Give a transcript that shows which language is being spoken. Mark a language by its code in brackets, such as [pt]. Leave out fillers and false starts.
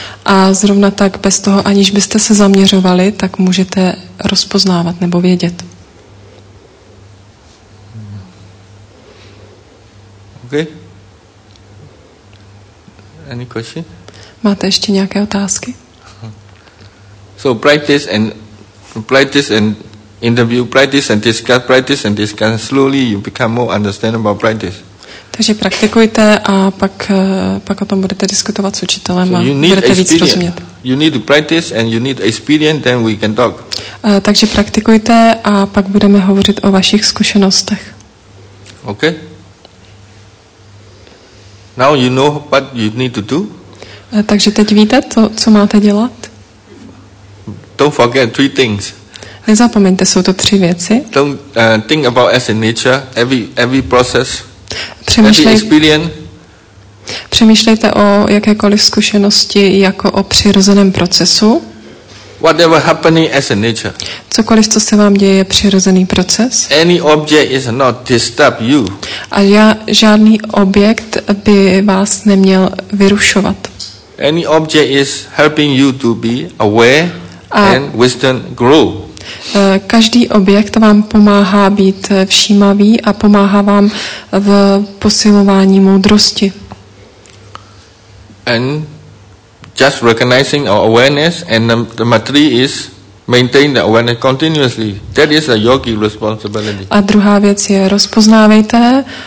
[cs] A zrovna tak, bez toho, aniž byste se zaměřovali, tak můžete rozpoznávat nebo vědět. [en] Okay. Any question? [cs] Máte ještě nějaké otázky? [en] So, practice and interview, practice and discuss, slowly you become more understandable about practice. [cs] Takže praktikujte a pak o tom budete diskutovat s učitelem a budete víc rozumět. [en] You need to practice and you need experience, then we can talk. [cs] Takže praktikujte a pak budeme hovořit o vašich zkušenostech. [en] Okay. Now you know what you need to do. [cs] Takže teď víte, co máte dělat. [en] Don't forget three things. [cs] Nezapomeňte, jsou to tři věci. [en] Think about as in nature, every process, every experience. [cs] Přemýšlejte o jakékoliv zkušenosti jako o přirozeném procesu. [en] Whatever happening as in nature. [cs] Cokoliv, co se vám děje, je přirozený proces. [en] Any object is not disturb you. [cs] A žádný objekt by vás neměl vyrušovat. [en] Any object is helping you to be aware and wisdom grow. [cs] Každý objekt vám pomáhá být všímavý a pomáhá vám v posilování moudrosti. [en] And just recognizing our awareness and the material is maintain the awareness continuously. That is a yogi responsibility. [cs] A druhá věc je rozpoznávejte.